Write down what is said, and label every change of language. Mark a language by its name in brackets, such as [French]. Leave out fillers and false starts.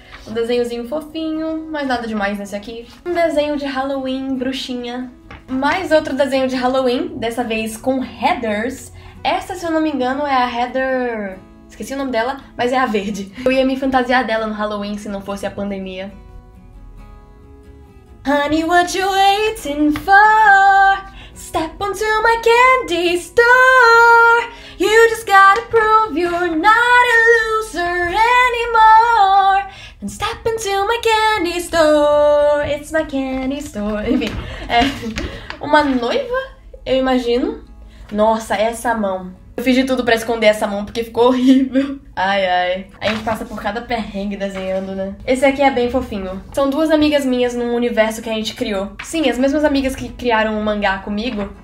[Portuguese] Um desenhozinho fofinho, mas nada demais nesse aqui. Um desenho de Halloween, bruxinha. Mais outro desenho de Halloween, dessa vez com Heathers. Essa, se eu não me engano, é a Heather... esqueci o nome dela, mas é a verde. Eu ia me fantasiar dela no Halloween se não fosse a pandemia. [English] Honey, what you waiting for? Step onto my candy store. You just gotta prove you're not a loser anymore. And step into my candy store. It's my candy store. [Portuguese] Enfim, é uma noiva, eu imagino. Nossa, essa mão. Eu fiz de tudo pra esconder essa mão porque ficou horrível. Ai, ai. A gente passa por cada perrengue desenhando, né? Esse aqui é bem fofinho. São duas amigas minhas num universo que a gente criou. Sim, as mesmas amigas que criaram um mangá comigo.